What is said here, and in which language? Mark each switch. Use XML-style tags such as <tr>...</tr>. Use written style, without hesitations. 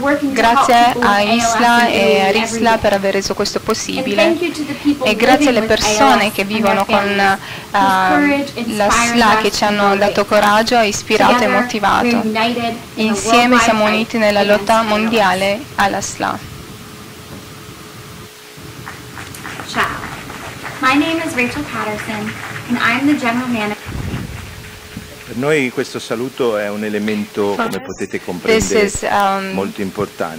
<it>Grazie a ISLA e a RISLA per aver reso questo possibile e grazie alle persone che vivono con la SLA, che ci hanno dato coraggio, ispirato e motivato. Insieme siamo uniti nella lotta mondiale alla SLA. Ciao.</it> <en>My name is Rachel Patterson and I'm the general manager.</en> <it>Per noi questo saluto è un elemento, come potete comprendere, molto importante.</it>